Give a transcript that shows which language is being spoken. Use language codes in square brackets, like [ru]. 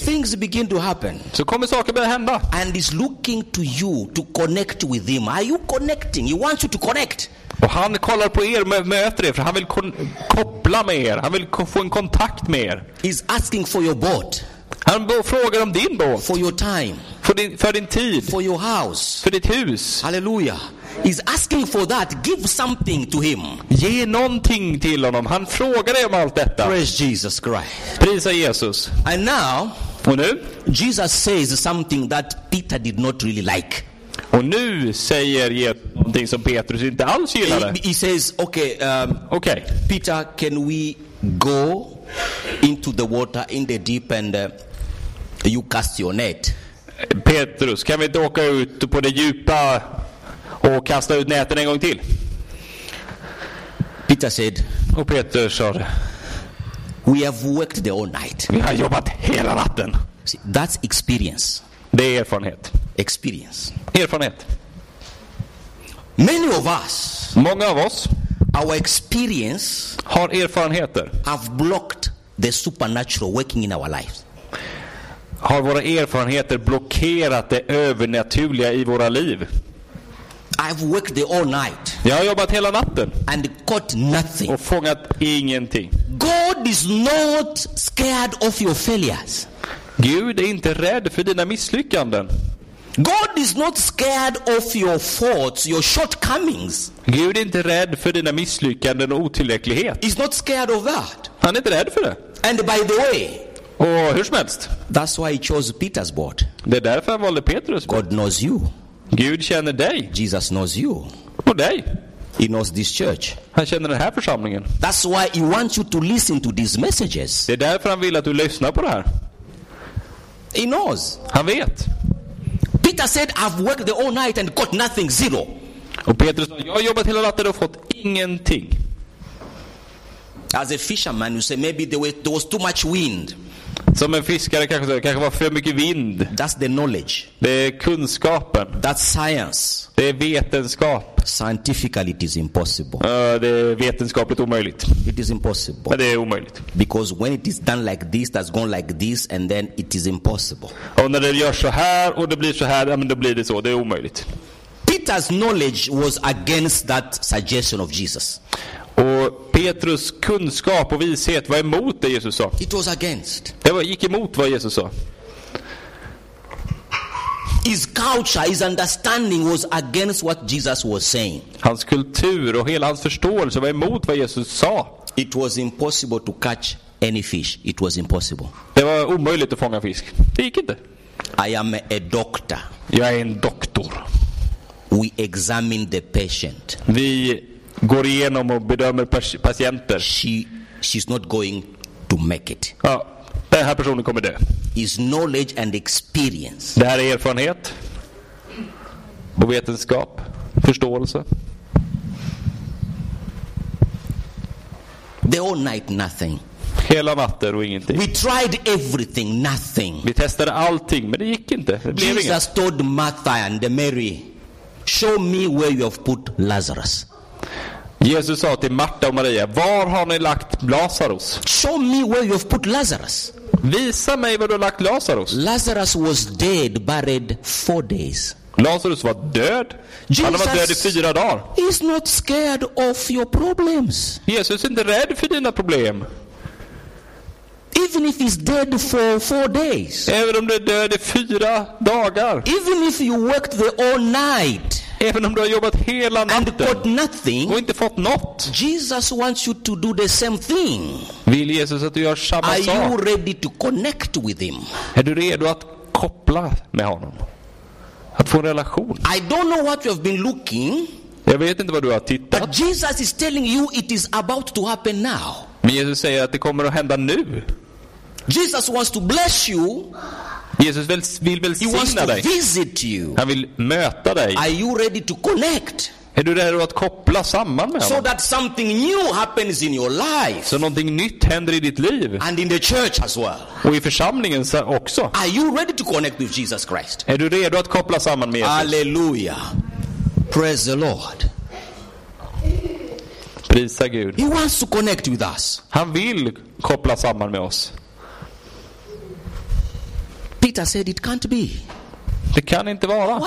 [en] things begin to happen. [sv] Så kommer saker börja hända. [en] And he's looking to you to connect with him. Are you connecting? He wants you to connect. [sv] Och han kollar på er, möter er, för han vill koppla med er. Han vill få en kontakt med er. [en] He's asking for your boat. [sv] Han frågar om din båt. [en] For your time. [sv] För din tid. [en] For your house. [sv] För ditt hus. [en] Halleluja. He's asking for that. Give something to him. [sv] Ge någonting till honom. Han frågar om allt detta. [en] Praise Jesus Christ. [sv] Prisa Jesus. [en] And now, [sv] och nu, [en] Jesus says something that Peter did not really like. [sv] Och nu säger någonting som Petrus inte alls gillade. [en] He says, okay, [sv] okay. [en] Peter, can we go into the water in the deep and you cast your net? [sv] Petrus, kan vi inte åka ut på det djupa och kasta ut näten en gång till? [en] Peter said, [sv] och Petrus sa, [en] we have worked the whole night. [sv] Vi har jobbat hela natten. [en] See, that's experience. [sv] Det är erfarenhet. [en] Experience. [sv] Erfarenhet. [en] Many of us, [sv] många av oss, [en] our experience [sv] har erfarenheter, [en] have blocked the supernatural working in our lives. [sv] Har våra erfarenheter blockerat det övernaturliga i våra liv? [en] I've worked all night. [sv] Jag har jobbat hela natten. [en] And caught nothing. [sv] Och fångat ingenting. [en] God is not scared of your failures. [sv] Gud är inte rädd för dina misslyckanden. [en] God is not scared of your faults, your shortcomings. [sv] Gud är inte rädd för dina misslyckanden och otillräcklighet. [en] He's not scared of that. [sv] Han är inte rädd för det. [en] And by the way, [sv] och hur som helst, [en] that's why he chose Peter's boat. [sv] Det är därför han valde Petrus. [en] God knows you. [sv] Gud känner dig. [en] Jesus knows you. [sv] Och dig. [en] He knows this church. [sv] Han känner den här församlingen. [en] That's why he wants you to listen to these messages. [sv] Det är därför han vill att du lyssnar på det här. [en] He knows. [sv] Han vet. [en] Peter said, I've worked the whole night and got nothing, zero. [sv] Och Petrus sa, jag har jobbat hela natten och fått ingenting. [en] As a fisherman, you say maybe there was too much wind. [sv] Som en fiskare kanske var för mycket vind. [en] That's the knowledge. [sv] Det är kunskapen. [en] That's science. [sv] Det är vetenskap. [en] Scientifically it is impossible. [sv] Det är vetenskapligt omöjligt. [en] It is impossible. [sv] Men det är omöjligt. [en] Because when it is done like this, that's gone like this, and then it is impossible. [sv] Och när det görs så här och det blir så här, ja, men då blir det så. Det är omöjligt. [en] Peter's knowledge was against that suggestion of Jesus. [sv] Och Petrus kunskap och vishet var emot det Jesus sa. [en] It was against. [sv] Det var, gick emot vad Jesus sa. [en] His culture, his understanding was against what Jesus was saying. [sv] Hans kultur och hela hans förståelse var emot vad Jesus sa. [en] It was impossible to catch any fish. It was impossible. [sv] Det var omöjligt att fånga fisk. Det gick inte. [en] I am a doctor. [sv] Jag är en doktor. [en] We examine the patient. [sv] Vi går igenom och bedömer patienter. [en] She's not going to make it. [sv] Ja, den här personen kommer dö. [en] His knowledge and experience. [sv] Det här är erfarenhet. Och vetenskap. Förståelse. [en] The whole night nothing. [sv] Hela natten och ingenting. [en] We tried everything, nothing. [sv] Vi testade allting, men det gick inte. Det blev [en] Jesus [sv] inget. [en] Told Martha and Mary, show me where you have put Lazarus. [sv] Jesus sa till Marta och Maria, var har ni lagt Lazarus? [en] Show me where you have put Lazarus. [sv] Visa mig var du har lagt Lazarus. [en] Lazarus was dead, buried 4 days. [sv] Lazarus var död. [en] Jesus, [sv] han var död i 4 dagar. [en] He's not scared of your problems. [sv] Jesus är inte rädd för dina problem. [en] Even if he's dead for 4 days. [sv] Även om du är död i 4 dagar. [en] Even if you worked the whole night. [sv] Även om du har jobbat hela natten [en] and got nothing, [sv] och inte fått något. [en] Jesus wants you to do the same thing. [sv] Vill Jesus att du gör samma [en] are [sv] sak? [en] Are you ready to connect with him? [sv] Är du redo att koppla med honom? Att få en relation? [en] I don't know what you have been looking. [sv] Jag vet inte vad du har tittat. [en] But Jesus is telling you it is about to happen now. [sv] Men Jesus säger att det kommer att hända nu. [en] Jesus wants to bless you. [sv] Jesus vill välsigna dig. [en] Visit you. [sv] Han vill möta dig. [en] Are you ready to connect? [sv] Är du redo att koppla samman med honom? [en] So that something new happens in your life. [sv] Så någonting nytt händer i ditt liv. [en] And in the church as well. [sv] Och i församlingen också. [en] Are you ready to connect with Jesus Christ? [sv] Är du redo att koppla samman med Jesus? [en] Halleluja. Praise the Lord. [sv] Prisa Gud. [en] He wants to connect with us. [sv] Han vill koppla samman med oss. [en] Peter said it can't be. [sv] Det kan inte vara.